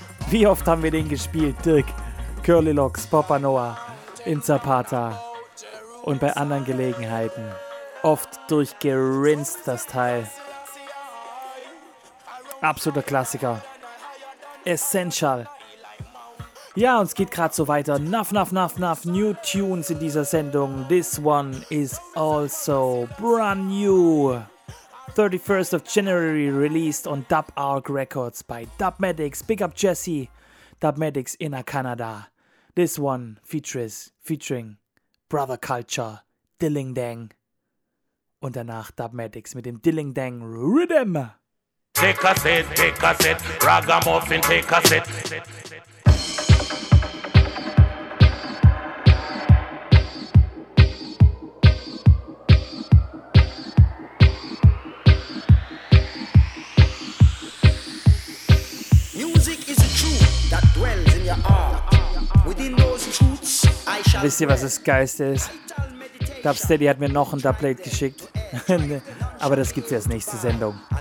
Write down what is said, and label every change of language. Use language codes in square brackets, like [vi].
[de] Wie oft haben wir den gespielt? Dirk, Curly Locks, Papa Noah, in Zapata und bei anderen Gelegenheiten. Oft durchgerinst das Teil. Absoluter Klassiker. Essential. Ja, uns geht gerade so weiter. Nuff, nuff, nuff, nuff. New Tunes in dieser Sendung. [en] This one is also brand new. 31st of January released on Dub Arc Records by Dubmatics. Big up Jesse. Dubmatics in Canada. This one featuring Brother Culture, Dilling Dang. [de] Und danach Dubmatics mit dem Dilling Dang Rhythm. [en] Take a set, ragamuffin, take a set. Music is a truth that dwells [de] Wisst ihr, was das Geilste ist? Dubsteady hat mir noch ein Dubplate geschickt. Aber das gibt's erst nächste Sendung.